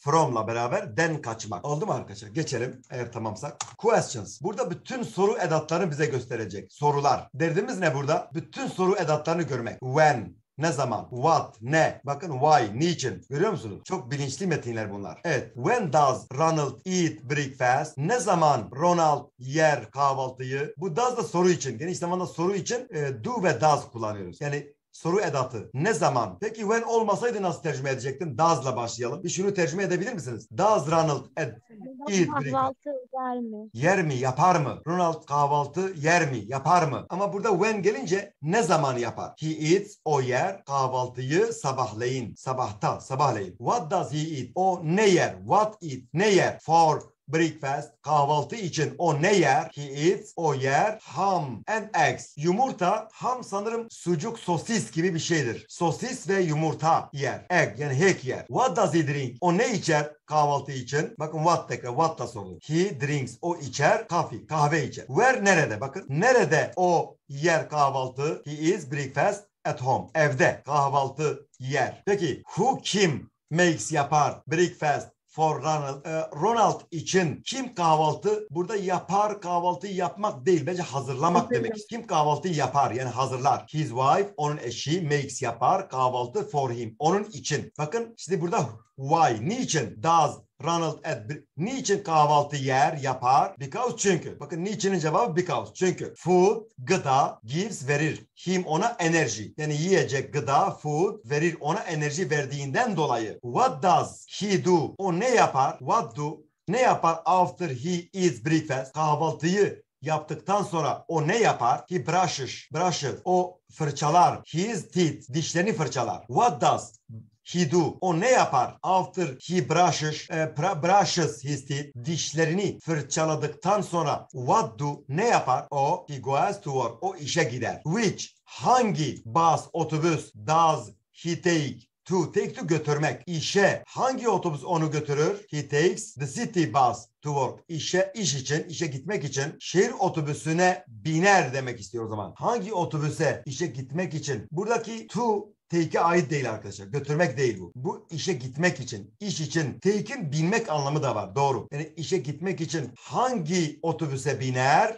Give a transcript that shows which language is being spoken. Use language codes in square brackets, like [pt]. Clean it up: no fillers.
[tr] From'la beraber den kaçmak. Oldu mu arkadaşlar? Geçelim eğer tamamsak. Questions. Burada bütün soru edatlarını bize gösterecek. Sorular. Derdimiz ne burada? Bütün soru edatlarını görmek. When. Ne zaman? What? Ne? Bakın why? Niçin? Görüyor musunuz? Çok bilinçli metinler bunlar. Evet. [en] When does Ronald eat breakfast? [tr] Ne zaman Ronald yer kahvaltıyı? Bu does da soru için. Geniş zamanda soru için do ve does kullanıyoruz. Yani soru edatı. Ne zaman? Peki when olmasaydı nasıl tercüme edecektin? Does'la başlayalım. Bir şunu tercüme edebilir misiniz? [en] Does Ronald eat [tr] kahvaltı yer mi? Yer mi? Yapar mı? Ronald kahvaltı yer mi? Yapar mı? Ama burada when gelince ne zaman yapar? He eats, o yer kahvaltıyı sabahleyin. Sabahta, sabahleyin. [en] What does he eat? [tr] O ne yer? What eat? Ne yer? For Breakfast, kahvaltı için o ne yer? [en] He eats, [tr] o yer [en] ham and eggs. [tr] Yumurta, ham sanırım sucuk, sosis gibi bir şeydir. Sosis ve yumurta yer. Egg, yani hek yer. [en] What does he drink? [tr] O ne içer kahvaltı için? Bakın what tekrar, what da soru. [en] He drinks, [tr] o içer coffee, kahve içer. Where, nerede? Bakın, nerede o yer kahvaltı? [en] He is breakfast at home. [tr] Evde kahvaltı yer. Peki, who, kim makes, yapar breakfast for Ronald, Ronald için? Kim kahvaltı? Burada yapar kahvaltı, yapmak değil. Bence hazırlamak demek. Kim kahvaltı yapar? Yani hazırlar. [en] His wife, [tr] onun eşi, makes, yapar kahvaltı for him. Onun için. Bakın işte burada why, niçin does Ronald at, niçin kahvaltı yer, yapar? Because, çünkü. Bakın niçinin cevabı because. Çünkü food, gıda, gives, verir him, ona enerji. Yani yiyecek, gıda, food, verir ona enerji verdiğinden dolayı. [en] What does he do? [tr] O ne yapar? [en] What do? [tr] Ne yapar [en] after he eats breakfast? [tr] Kahvaltıyı yaptıktan sonra o ne yapar? [en] He brushes. Brushes. O fırçalar. His teeth. [tr] Dişlerini fırçalar. [en] What does he do? [tr] O ne yapar? [en] After he brushes, brushes his teeth, dişlerini fırçaladıktan sonra what do, ne yapar? [tr] O, [en] he goes to work, [tr] o işe gider. [en] Which, hangi bus, otobüs does he take? To, take to, götürmek. [tr] İşe, hangi otobüs onu götürür? [en] He takes the city bus to work. [tr] İşe, iş için, işe gitmek için şehir otobüsüne biner demek istiyor o zaman. Hangi otobüse, işe gitmek için? Buradaki to, take'e ait değil arkadaşlar. Götürmek değil bu. Bu işe gitmek için, iş için. Take'in binmek anlamı da var. Doğru. Yani işe gitmek için hangi otobüse biner?